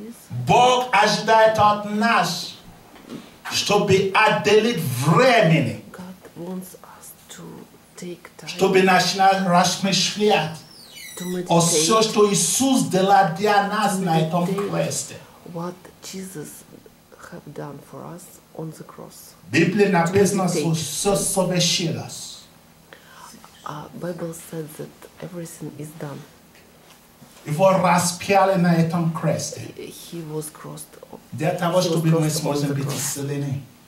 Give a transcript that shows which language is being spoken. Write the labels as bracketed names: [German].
[Russian] Бог ожидает от нас. Чтобы отделить времени. [English] God wants us to take time. [Russian] Чтобы начинать размышлять о все, что Иисус делал для нас на этом кресте. [English] What Jesus have done for us on the cross. [Russian] Библия написано, что все совершилось. [English] Bible said that everything is done. [Russian] Его распяли на этом кресте. [English] He was crossed. [Russian] Для того, чтобы мы смогли быть исцелены.